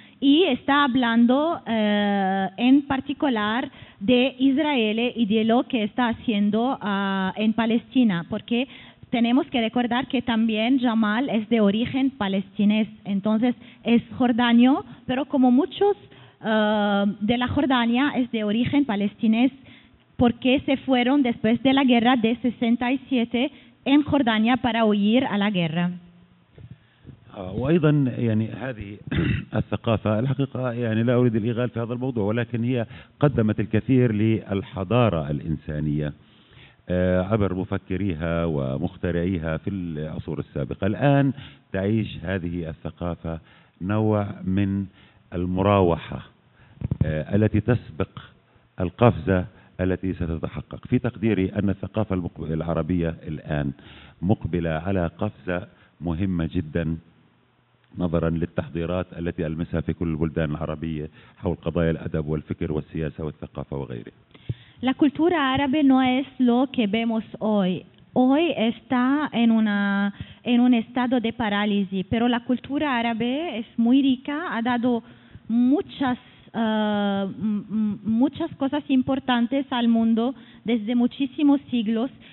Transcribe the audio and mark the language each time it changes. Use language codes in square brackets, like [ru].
[es] Y está hablando en particular de Israel y de lo que está haciendo en Palestina, porque tenemos que recordar que también Jamal es de origen palestinés, entonces es jordano, pero como muchos de la Jordania es de origen palestinés, porque se fueron después de la guerra de 67 en Jordania para huir a la guerra. [ar] وأيضا يعني هذه الثقافة الحقيقة يعني لا أريد الإغالة في هذا الموضوع، ولكن هي قدمت الكثير للحضارة الإنسانية عبر مفكريها ومخترعيها في العصور السابقة. الآن تعيش هذه الثقافة نوع من المراوحة التي تسبق القفزة التي ستتحقق. في تقديري أن الثقافة العربية الآن مقبلة على قفزة مهمة جدا نظرا للتحضيرات التي ألمسها في كل البلدان العربية حول قضايا الأدب والفكر والسياسة والثقافة وغيره. [es] La cultura árabe no es lo que vemos hoy. Hoy está en un estado de parálisis, pero la cultura árabe es muy rica, ha dado muchas cosas importantes al mundo desde muchísimos siglos.